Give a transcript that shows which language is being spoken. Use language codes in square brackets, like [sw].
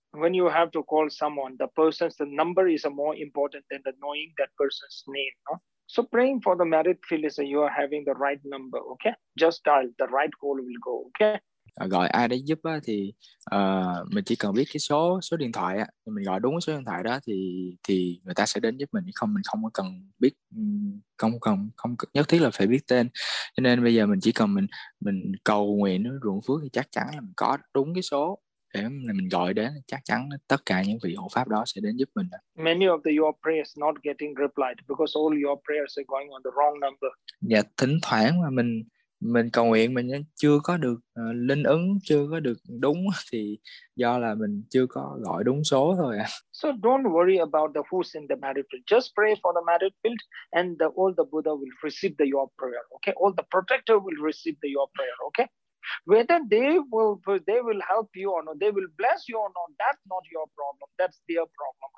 [en] When you have to call someone, the person's the number is more important than the knowing that person's name, no? So praying for the merit field is that you are having the right number, okay? Just dial, the right call will go, okay? [vi] Gọi ai đấy giúp á, thì mình chỉ cần biết cái số điện thoại á, mình gọi đúng số điện thoại đó thì người ta sẽ đến giúp mình. Mình không cần biết, không nhất thiết là phải biết tên. Cho nên bây giờ mình chỉ cần mình cầu nguyện ruộng phước thì chắc chắn là mình có đúng cái số để mình gọi đến, chắc chắn tất cả những vị hộ pháp đó sẽ đến giúp mình. [en] Many of your prayers not getting replied because all your prayers are going on the wrong number. [vi] Dạ, thỉnh thoảng mà mình cầu nguyện mình chưa có được linh ứng, chưa có được đúng, thì do là mình chưa có gọi đúng số thôi ạ. [en] So don't worry about the who's in the merit field. Just pray for the merit field and all the Buddha will receive your prayer. Okay, all the protector will receive your prayer. Okay. Whether they will help you or not, they will bless you or not, that's not your problem, that's their problem.